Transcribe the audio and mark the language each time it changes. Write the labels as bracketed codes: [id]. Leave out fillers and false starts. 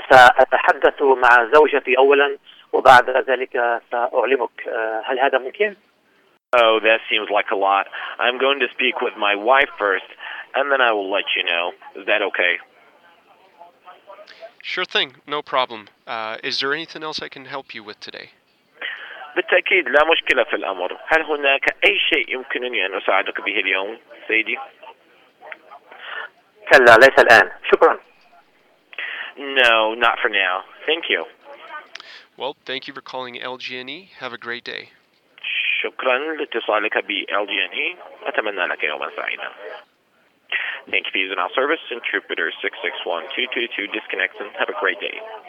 [ar] سأتحدث مع زوجتي أولا وبعد ذلك سأعلمك. هل هذا ممكن؟ [en] Oh, that seems like a lot. I'm going to speak with my wife first and then I will let you know. Is that okay? Sure thing, no problem. Is there anything else I can help you with today? [ar] بالتأكيد لا مشكلة في الأمر. هل هناك أي شيء يمكنني أن أساعدك به اليوم سيدي؟ كلا ليس الآن. شكرا. [en] No, not for now. Thank you. Well, thank you for calling LGNE. Have a great day. [ar] شكرا لاتصالك بـ LGNE. أتمنى لك يوما سعيدا. [en] Thank you for using our service. Interpreter 661-222 disconnects and have a great day.